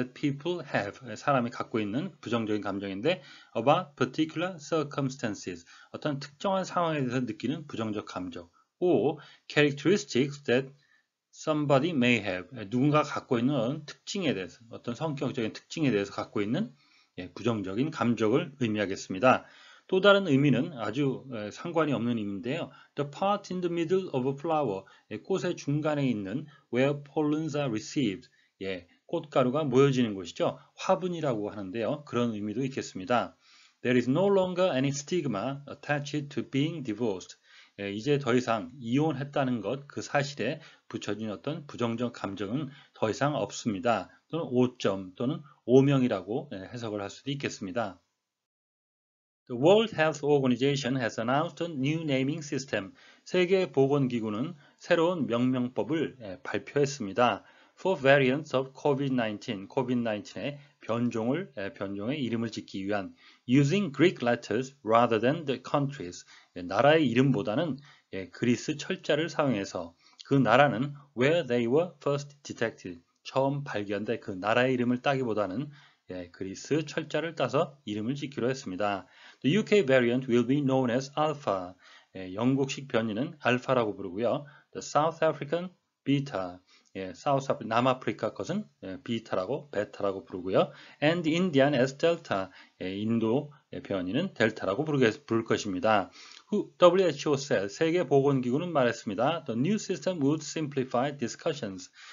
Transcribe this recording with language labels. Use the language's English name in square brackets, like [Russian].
[English] that people have [Korean] 사람이 갖고 있는 부정적인 감정인데 [English] about particular circumstances [Korean] 어떤 특정한 상황에 대해서 느끼는 부정적 감정 [English] or characteristics that somebody may have [Korean] 누군가 갖고 있는 특징에 대해서 어떤 성격적인 특징에 대해서 갖고 있는 부정적인 감정을 의미하겠습니다. 또 다른 의미는 아주 상관이 없는 의미인데요. [English] The part in the middle of a flower. [Korean] 꽃의 중간에 있는 [English] where pollens are received. [Korean] 예, 꽃가루가 모여지는 곳이죠. 화분이라고 하는데요. 그런 의미도 있겠습니다. [English] There is no longer any stigma attached to being divorced. [Korean] 예, 이제 더 이상 이혼했다는 것, 그 사실에 붙여진 어떤 부정적 감정은 더 이상 없습니다. 또는 오점 또는 오명이라고 해석을 할 수도 있겠습니다. [English] The World Health Organization has announced a new naming system. [Korean] 세계보건기구는 새로운 명명법을 발표했습니다. [English] For variants of COVID-19, [Korean] COVID-19의 변종의 이름을 짓기 위한 [English] using Greek letters rather than the countries. [Korean] 나라의 이름보다는 그리스 철자를 사용해서 그 나라는 [English] where they were first detected. [Korean] 처음 발견된 그 나라의 이름을 따기보다는 예, 그리스 철자를 따서 이름을 짓기로 했습니다. [English] The UK variant will be known as Alpha. [Korean] 예, 영국식 변이는 알파라고 부르고요. [English] The South African Beta. [Korean] 예, 남아프리카 것은 비타라고 베타라고 부르고요. [English] And Indian as Delta. [Korean] 예, 인도 변이는 델타라고 부를 것입니다. [English] WHO said, [Korean] 세계보건기구는 말했습니다. [English] The new system would simplify discussions.